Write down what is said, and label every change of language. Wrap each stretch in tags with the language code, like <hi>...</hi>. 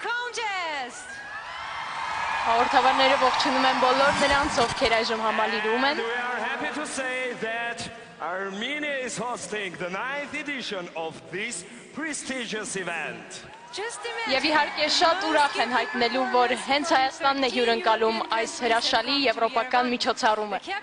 <hy>Հաղորդավարները ողջունում են բոլոր նրանց, ովքեր այժմ համալիրում են։</hy> <en>We are happy to say that Armenia is hosting the 9th edition of this prestigious event.</en> <hy>Եվ իհարկե շատ ուրախ են հայտնելու, որ հենց Հայաստանն է հյուրընկալում այս հրաշալի եվրոպական միջոցառումը։</hy>